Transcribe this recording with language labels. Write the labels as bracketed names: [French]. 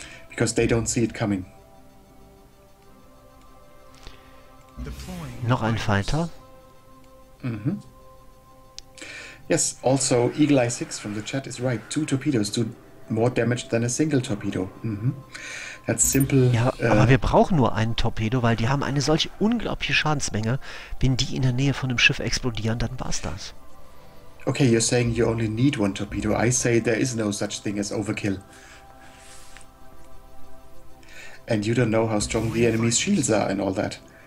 [English] Because they don't see it coming. [German] Noch ein Fighter. Mhm. [English] Yes, also Eagle Eye 6 from the chat is right. Two torpedoes do more damage than a single torpedo. Mm-hmm. That's simple. [German] Ja, aber wir brauchen nur einen Torpedo, weil die haben eine solche unglaubliche Schadensmenge. Wenn die in der Nähe von einem Schiff explodieren, dann war's das. [English] Okay, you're saying you only need one torpedo. I say there is no such thing as overkill. And you don't know how strong the enemy's shields are and all that.